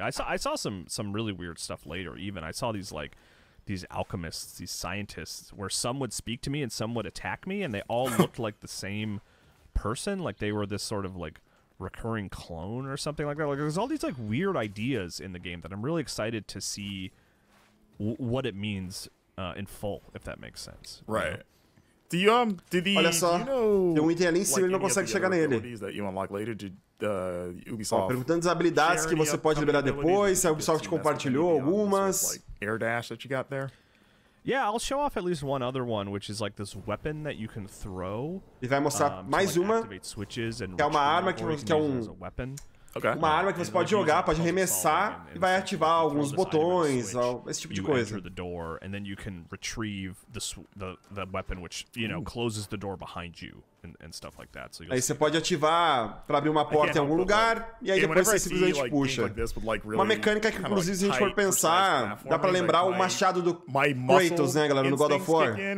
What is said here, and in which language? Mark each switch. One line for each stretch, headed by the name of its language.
English: I saw some really weird stuff later, even. I saw these, like, these alchemists, these scientists, where some would speak to me and some would attack me, and they all looked like the same person. Like, they were this sort of, like, recurring clone or something like that. Like, there's all these, like, weird ideas in the game that I'm really excited to see what it means in full, if that makes sense. Right. You know?
Portuguese: Olha só, tem um item ali em cima e ele não consegue chegar nele. Perguntando as habilidades que você pode liberar depois, se a Ubisoft compartilhou algumas.
English: Air dash that you got there. Yeah, I'll show off at least one other one, which is like this weapon that you can throw.
Portuguese: Ele vai mostrar mais uma, que é uma arma que você quer uma arma que você pode jogar, pode arremessar e vai ativar alguns botões, esse tipo de coisa.
English: The door, and then you can retrieve the weapon which, you know, closes the door behind you and stuff like that. So
Portuguese: aí você pode ativar para abrir uma porta em algum lugar e aí depois você simplesmente puxa. Uma mecânica que, inclusive, se a gente for pensar, dá para lembrar o machado do Kratos, né, galera, no God of War.